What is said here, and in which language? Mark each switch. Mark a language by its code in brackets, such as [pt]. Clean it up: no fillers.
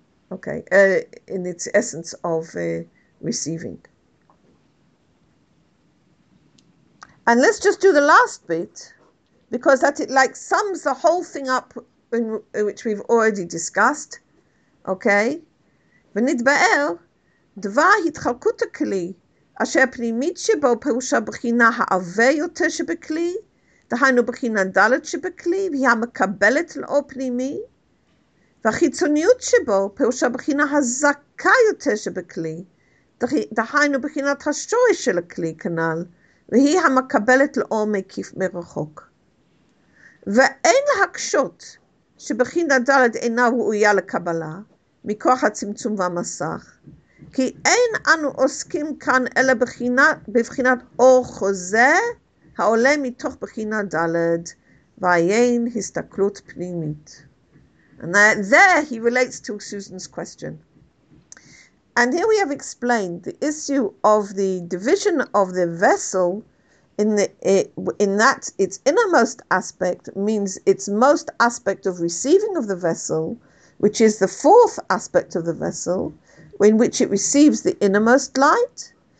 [en] Okay, in its essence of receiving. And let's just do the last bit, because that it like sums the whole thing up in which we've already discussed. [he] Okay, ונתבאר דבר התחלקות הכלי אשר פנימית שבו פירושה בחינה העווה יותר שבכלי, דהיינו בחינה דלת שבכלי, והיא המקבלת לאור פנימי, והחיצוניות שבו פירושה בחינה הזקה יותר שבכלי, דהיינו בחינת השורש של הכלי כנל, והיא המקבלת לאור מקיף מרחוק. ואין להקשות שבחינה דלת אינה ראויה לקבלה, מכוח הצמצום והמסך, כי אין אנו עוסקים כאן אלא בבחינת אור חוזה, העולה מתוך בחינה דלת, ואין הסתכלות פנימית. [en] And there he relates to Susan's question. And here we have explained the issue of the division of the vessel in that its innermost aspect means its most aspect of receiving of the vessel, which is the fourth aspect of the vessel, in which it receives the innermost light,